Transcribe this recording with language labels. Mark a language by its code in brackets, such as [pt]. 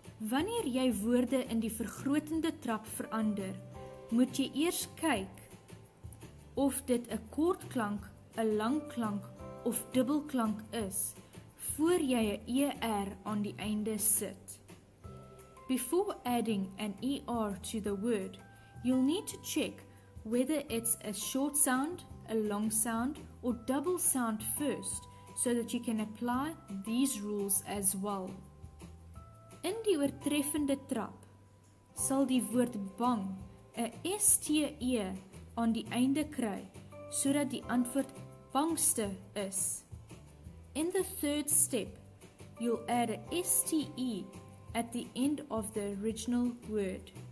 [af] Wanneer jy woorde in die vergrotende trap verander, moet jy eers kyk of dit 'n kort klank, 'n lang klank of dubbelklank is, voor jy 'n ER aan die einde sit. [en] Before adding an ER to the word, you'll need to check whether it's a short sound, a long sound, or double sound first, so that you can apply these rules as well. [af] In die oortreffende trap, sal die woord bang 'n STE aan die einde kry, sodat die antwoord bangste is. [en] In the third step, you'll add a STE at the end of the original word.